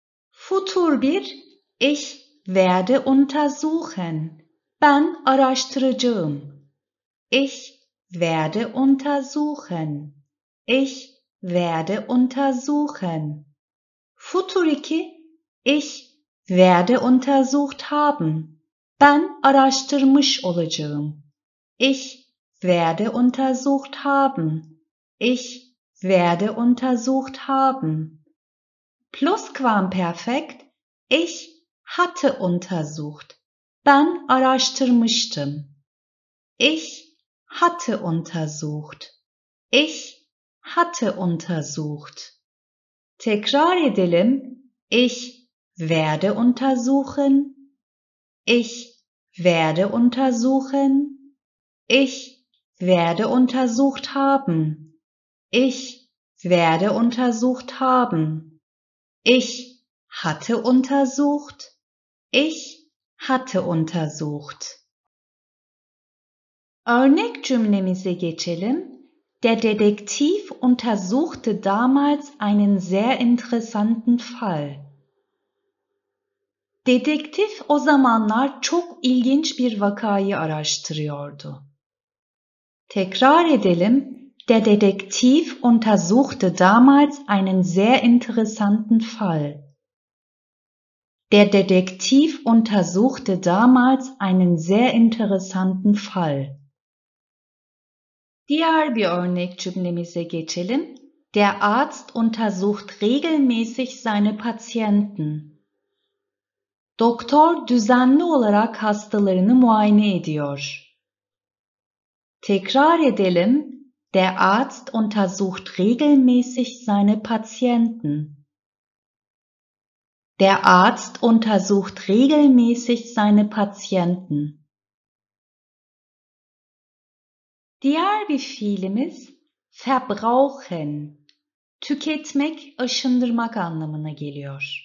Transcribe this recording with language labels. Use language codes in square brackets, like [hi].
[de] Futur bir, ich werde untersuchen. [tr] Ben araştıracağım. [de] Ich werde untersuchen. Ich werde untersuchen. Futur iki, ich werde untersucht haben. [tr] Ben araştırmış olacağım. [de] Ich werde untersucht haben. Ich werde untersucht haben. Plusquamperfekt. Ich hatte untersucht. [tr] Ben araştırmıştım. [de] Ich hatte untersucht. Ich hatte untersucht. [tr] Tekrar edelim. [de] Ich werde untersuchen. Ich werde untersuchen. Ich werde untersucht haben. Ich werde untersucht haben. Ich hatte untersucht. Ich hatte untersucht. [tr] Örnek cümlemize geçelim. [de] Der Detektiv untersuchte damals einen sehr interessanten Fall. [tr] Detektif o zamanlar çok ilginç bir vakayı araştırıyordu. Tekrar edelim. [de] Der Detektiv untersuchte damals einen sehr interessanten Fall. Der Detektiv untersuchte damals einen sehr interessanten Fall. [tr] Diğer bir örnek cümlemize geçelim. [de] Der Arzt untersucht regelmäßig seine Patienten. [tr] Doktor düzenli olarak hastalarını muayene ediyor. Tekrar edelim. [de] Der Arzt untersucht regelmäßig seine Patienten. Der Arzt untersucht regelmäßig seine Patienten. [tr] Diğer bir fiilimiz verbrauchen, tüketmek, aşındırmak anlamına geliyor.